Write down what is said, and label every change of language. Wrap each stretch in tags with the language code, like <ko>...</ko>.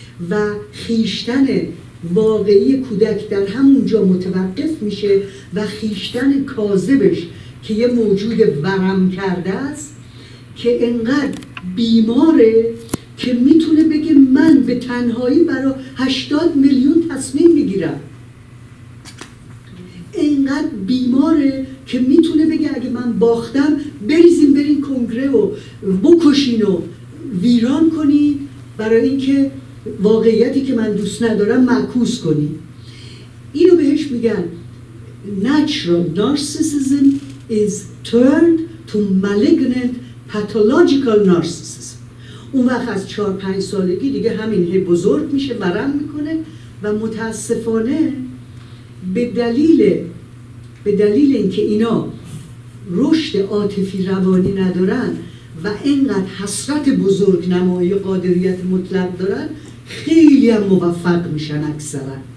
<fa>و خیشتن واقعی کودک در همونجا متوقف میشه و خیشتن کاذبش که یه موجود ورم کرده است که انقدر بیماره که میتونه بگه من به تنهایی برای 80 میلیون تصمیم میگیرم، اینقدر بیماره که میتونه بگه اگه من باختم بریزیم برین کنگره و بکشین و ویران کنید برای اینکه واقعیتی که من دوست ندارم معکوس کنید. اینو بهش میگن</fa> <en>natural narcissism is turned to malignant pathological narcissism.</en> <fa>اون وقت از 4-5 سالگی دیگه همین هی بزرگ میشه، ورم میکنه و متاسفانه به دلیل اینکه اینا رشد عاطفی روانی ندارن و اینقدر حسرت بزرگ نمایی قادریت مطلق دارن، خیلی هم موفق میشن اکثرا.</fa>